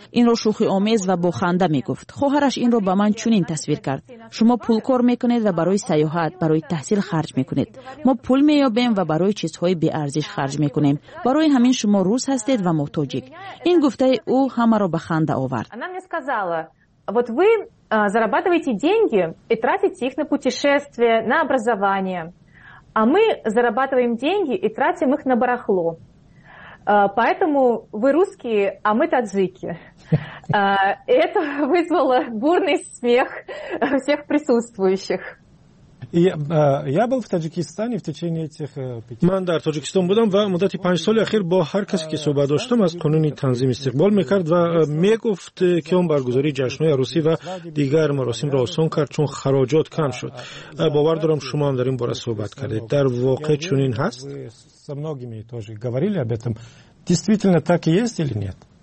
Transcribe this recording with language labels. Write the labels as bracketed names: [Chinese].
[Persian] این را شوخی آمیز و بخنده می گفت. خواهرش این را به من چنین تصویر کرد. شما پول کار می کنید و برای سیاحت، برای تحصیل خرج می کنید. ما پول می یابیم و برای چیزهای بی ارزش خرج می کنیم. برای همین شما روس هستید و ما تاجیک. این گفته او همه را بخنده آورد. [Russian] انا می сказала: "Вот вы зарабатываете деньги и тратите их на путешествия, на образование. А мы зарабатываем деньги и тратим их на барахло". Поэтому вы русские, а мы таджики. Это вызвало бурный смех всех присутствующих. Я был в Таджикистане в течение этих пяти. [Tajik] Ман дар Таджикистан будам ва муддати 5 соли ахир бо ҳар касе ки суҳбат доштам аз қонуни танзим истиқбол мекард ва мегуфт ки он баргузори ҷашнҳои арӯсӣ ва дигар маросимро осон кард чун хароҷот кам шуд. Бовар дорам шумо ҳам дар ин бора суҳбат кардед. Дар воқеъ чунин ҳаст? [Russian] Со многими тоже говорили об этом. Действительно так и есть или нет?